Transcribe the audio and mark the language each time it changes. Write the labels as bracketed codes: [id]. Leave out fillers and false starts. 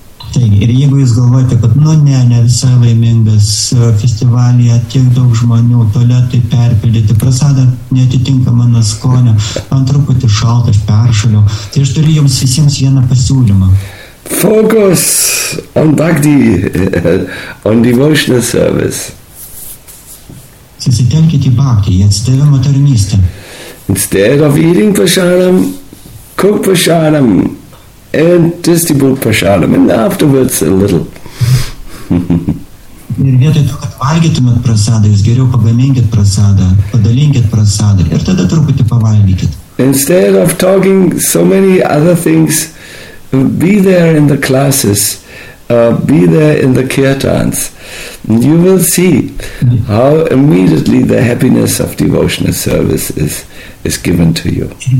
[lt] Taigi, ir jeigu jūs galvojate, kad nu ne, ne visai laimingas festivalyje, tiek daug žmonių, tualetai perpildyti, prasada netitinka mano skonio, man truputį šaltas peršaliu, tai aš turiu jums visiems vieną pasiūlymą. [en] Focus on bhakti, on devotional service. [lt] Susitelkite į bhakti, į atsidavimo tarnystę. [en] Instead of eating prasadam, cook prasadam and distribute prasadam, and afterwards a little. [lt] Ir vietoj to, kad valgytumėt prasadą, jūs geriau pagaminkit prasadą, padalinkit prasadą ir tada truputį pavalgykit. [en] Instead of talking so many other things, be there in the classes, be there in the kirtans. You will see how immediately the happiness of devotional service is given to you.